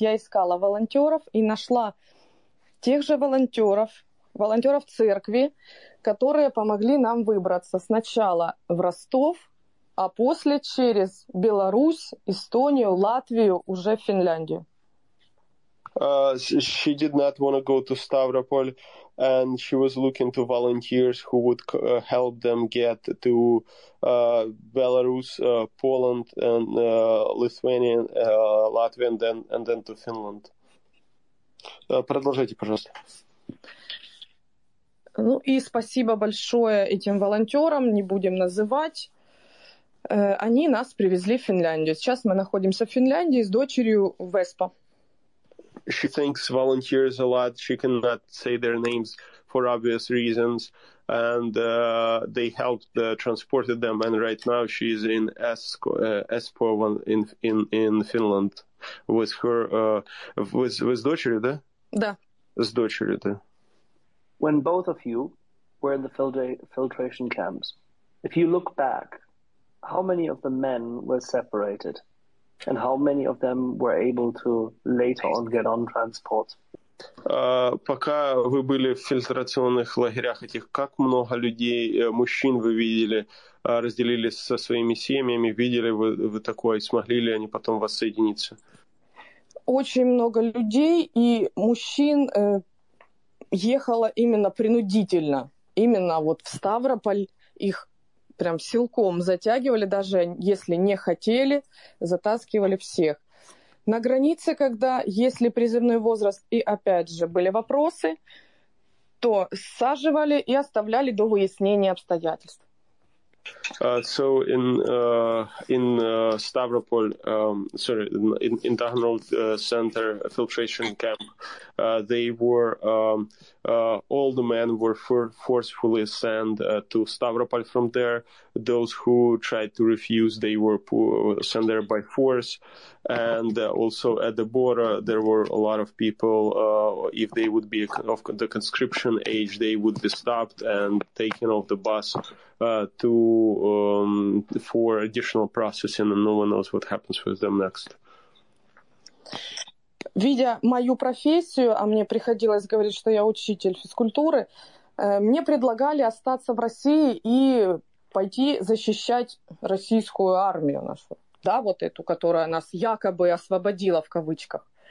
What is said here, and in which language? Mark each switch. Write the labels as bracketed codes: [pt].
[ru] Я искала волонтеров и нашла тех же волонтеров, волонтеров церкви, которые помогли нам выбраться сначала в Ростов, а после через Беларусь, Эстонию, Латвию, уже в Финляндию. [en] She did not want to go to Stavropol, and she was looking to volunteers who would help them get to Belarus, Poland, and Lithuania, Latvia, and then to Finland. [ru] Продолжайте, пожалуйста. Ну и спасибо большое этим волонтерам, не будем называть. Они нас привезли в Финляндию. Сейчас мы находимся в Финляндии с дочерью в Эспо. [en] She thanks volunteers a lot. She cannot say their names for obvious reasons, and they helped transported them. And right now she is in Espoo in Finland with her with [ru] дочерью, да? Да. С дочерью, да. [en] When both of you were in the filtration camps, if you look back, how many of the men were separated? And how many of them were able to later on get on transport? [ru] Пока вы были в фильтрационных лагерях этих, как много людей, мужчин вы видели, разделились со своими семьями, видели вы такое, смогли ли они потом воссоединиться? Очень много людей, и мужчин ехало именно принудительно, именно вот в Ставрополь их прям силком затягивали, даже если не хотели, затаскивали всех. На границе, когда есть ли призывной возраст, и опять же были вопросы, то саживали и оставляли до выяснения обстоятельств. [en] So in Stavropol, sorry, in Taganrog center filtration camp, they were all the men were forcefully sent to Stavropol from there. Those who tried to refuse, they were sent there by force. And also at the border, there were a lot of people. If they would be of the conscription age, they would be stopped and taken off the bus for additional processing, and no one knows what happens with them next. [ru] Видя мою профессию, а мне приходилось говорить, что я учитель физкультуры, мне предлагали остаться в России и пойти защищать российскую армию нашу, да, вот эту, которая нас якобы освободила в кавычках.